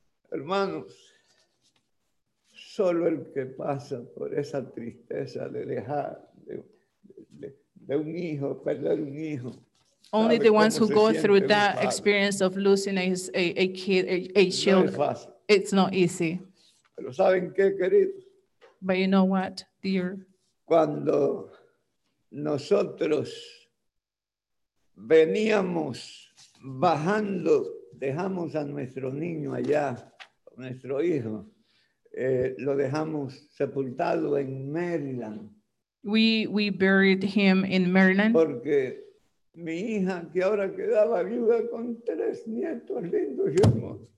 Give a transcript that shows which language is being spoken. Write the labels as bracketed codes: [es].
[es] Hermanos, solo el que pasa por esa tristeza de dejar de un hijo, perder un hijo. [en] Only the ones who go through that experience of losing a kid, a child, [es] no es fácil. [en] It's not easy. [es] Pero ¿saben qué, queridos? [en] But you know what, dear? [es] Cuando nosotros veníamos bajando, dejamos a nuestro niño allá, nuestro hijo, lo dejamos sepultado en Maryland. [en] We buried him in Maryland. [es] Porque mi hija, que ahora quedaba viuda con tres nietos lindos y hermosos.